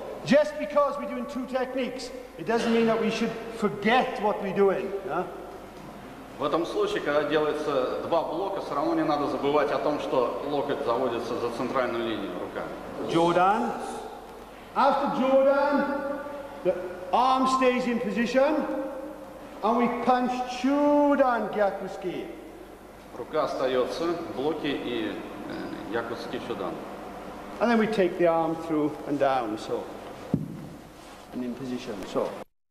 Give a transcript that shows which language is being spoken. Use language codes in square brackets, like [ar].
[en] Just because we're doing two techniques, it doesn't mean that we should forget what we're doing. Yeah? [ru] В этом случае, когда делается два блока, все равно не надо забывать о том, что локоть заводится за центральную линию руками. [ja] Jodan. [en] After Jodan, the arm stays in position, and we punch Chudan Gyakuski. [ru] Рука остается в блоке и Gyakuski Chudan. [en] And then we take the arm through and down, so. And in position, so.